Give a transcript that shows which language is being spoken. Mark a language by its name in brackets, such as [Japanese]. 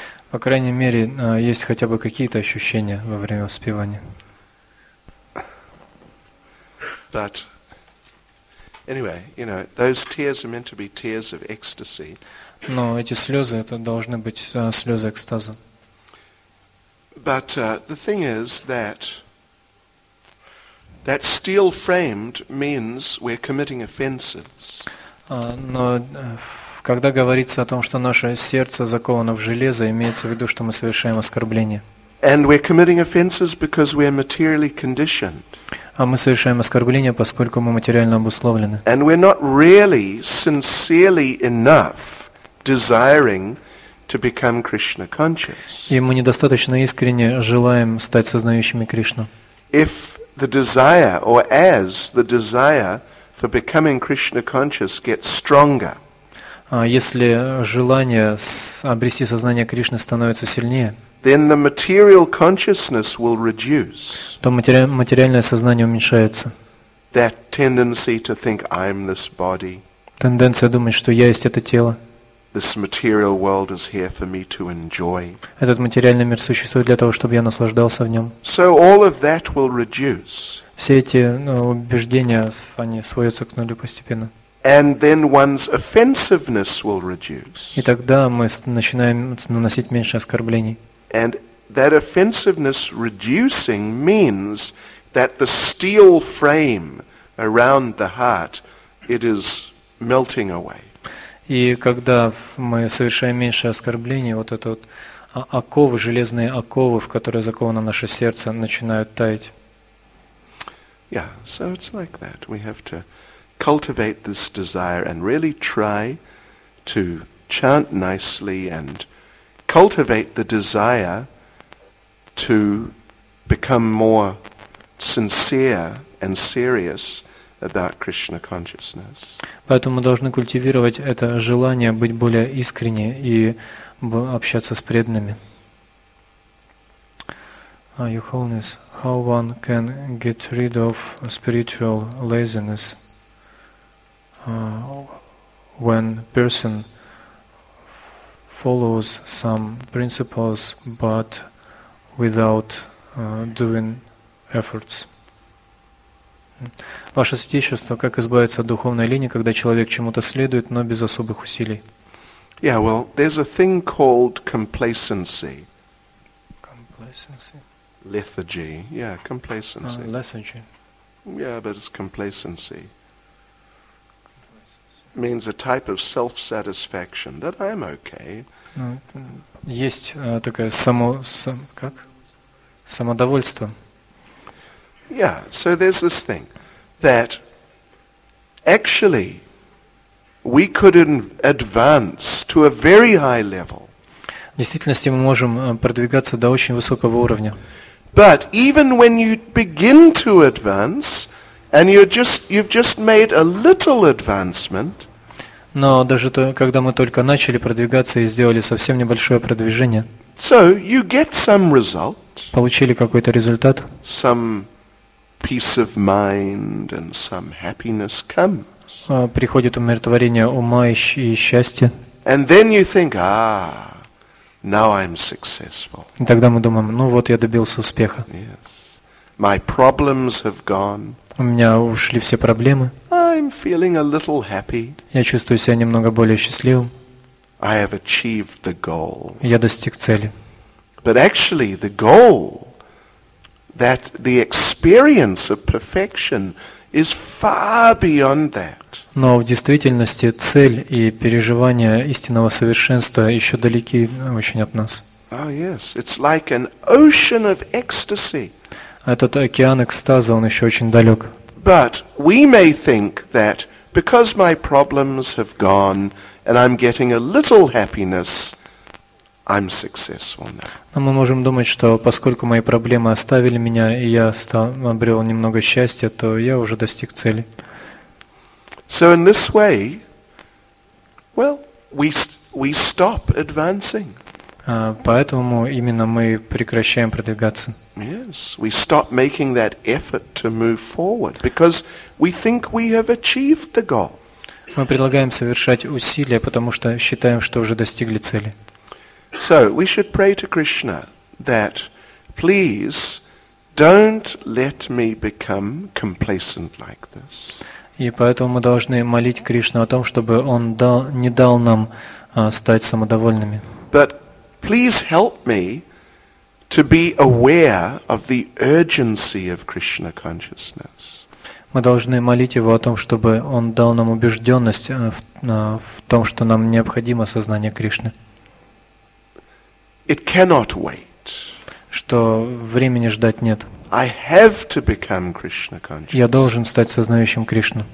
[Russian] По крайней мере, есть хотя бы какие-то ощущения во время воспевания. [English] But anyway, you know, those tears are meant to be tears of ecstasy. [Russian] Но эти слезы, это должны быть слезы экстаза. [English] But the thing is that steel framed means we're committing offenses. [Russian] Но когда говорится о том, что наше сердце заковано в железо, имеется в виду, что мы совершаем оскорбление. [English] And we're committing offenses because we're materially conditioned. [Russian] А мы совершаем оскорбление, поскольку мы материально обусловлены. [English] And we're not really sincerely enough desiring to become Krishna conscious. [Russian] И мы недостаточно искренне желаем стать сознающими Кришну. [English] If the desire or as the desire for becoming Krishna conscious gets stronger. [Russian] А если желание обрести сознание Кришны становится сильнее, [English] then the material consciousness will reduce. [Russian] То материальное сознание уменьшается. [English] That tendency to think I'm this body. [Russian] Тенденция думать, что я есть это тело. [English] This material world is here for me to enjoy. [Russian] Этот материальный мир существует для того, чтобы я наслаждался в нем. [English] So all of that will reduce. [Russian] Все эти убеждения, они сводятся к нулю постепенно. [English] And then one's offensiveness will reduce. [Russian] И тогда мы начинаем наносить меньше оскорблений. [English] And that offensiveness reducing means that the steel frame around the heart, it is melting away. [Russian] И когда мы совершаем меньшее оскорбление, вот это вот оковы, железные оковы, в которые заковано наше сердце, начинают таять. [English] Yeah, so it's like that. We have to cultivate this desire and really try to chant nicely and cultivate the desire to become more sincere and serious about Krishna consciousness. [Russian] Поэтому мы должны культивировать это желание быть более искренне и общаться с преданными. [English] Your Holiness, how one can get rid of spiritual laziness when person follows some principles but without doing efforts? [Russian] Ваше святейшество, как избавиться от духовной лени, когда человек чему-то следует, но без особых усилий? [English] Yeah, well, there's a thing called complacency. Complacency? Lethargy. Yeah, complacency. Lethargy. Yeah, but it's complacency. Complacency. Means a type of self-satisfaction, that I'm okay. [Russian] Есть такое само... как? Самодовольство. [English] Yeah, so there's this thing that actually we could advance to a very high level. [Russian] В действительности мы можем продвигаться до очень высокого уровня. [English] But even when you begin to advance and you've just made a little advancement, [Russian] но даже то, когда мы только начали продвигаться и сделали совсем небольшое продвижение, [English] so you get some result, [Russian] получили какой-то результат, [English] some peace of mind and some happiness comes. [Russian] Приходит умиротворение ума и счастье. [English] And then you think, ah, now I'm successful. [Russian] И тогда мы думаем, ну вот я добился успеха. [English] Yes. My problems have gone. [Russian] У меня ушли все проблемы. [English] I'm feeling a little happy. [Russian] Я чувствую себя немного более счастливым. [English] I have achieved the goal. [Russian] Я достиг цели. [English] But actually, the goal, that the experience of perfection is far beyond that. [Russian] Но в действительности цель и переживание истинного совершенства еще далеки очень от нас. [English] Oh yes, it's like an ocean of ecstasy. [Russian] Этот океан экстаза, он еще очень далек. [English] But we may think that because my problems have gone and I'm getting a little happiness, I'm successful now. [Russian] Но мы можем думать, что поскольку мои проблемы оставили меня, и я обрел немного счастья, то я уже достиг цели. [English] So in this way, well, we stop advancing. [Russian] Поэтому именно мы прекращаем продвигаться. [English] Yes, we stop making that effort to move forward because we think we have achieved the goal. [Russian] Мы предлагаем совершать усилия, потому что считаем, что уже достигли цели. [English] So we should pray to Krishna that please don't let me become complacent like this. [Russian] И поэтому мы должны молить Кришну о том, чтобы он не дал нам стать самодовольными. [English] But please help me to be aware of the urgency of Krishna consciousness. [Russian] Мы должны молить его о том, чтобы он дал нам убежденность в том, что нам необходимо сознание Кришны. [English] It cannot wait. [Russian] Что времени ждать нет. [English] I have to become Krishna conscious. [Russian] Я должен стать сознающим Кришну.